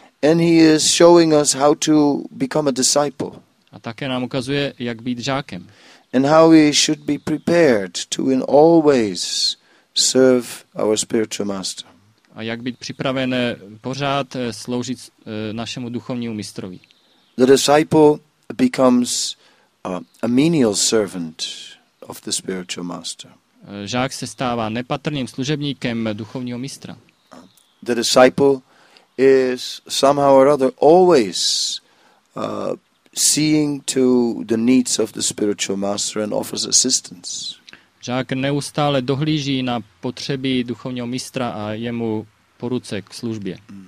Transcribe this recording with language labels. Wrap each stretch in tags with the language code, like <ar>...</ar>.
<en>and he is showing us how to become a disciple,</en> <cs>a také nám ukazuje, jak být žákem,</cs> <en>and how we should be prepared to in all ways serve our spiritual master,</en> <cs>a jak být připraven pořád sloužit našemu duchovnímu mistrovi.</cs> <en>The disciple becomes a menial servant of the spiritual master.</en> <cs>Žák se stává nepatrným služebníkem duchovního mistra.</cs> <en>The disciple is somehow or other always seeing to the needs of the spiritual master and offers assistance.</en> <cs>Žák neustále dohlíží na potřeby duchovního mistra a jemu po ruce k službě.</cs>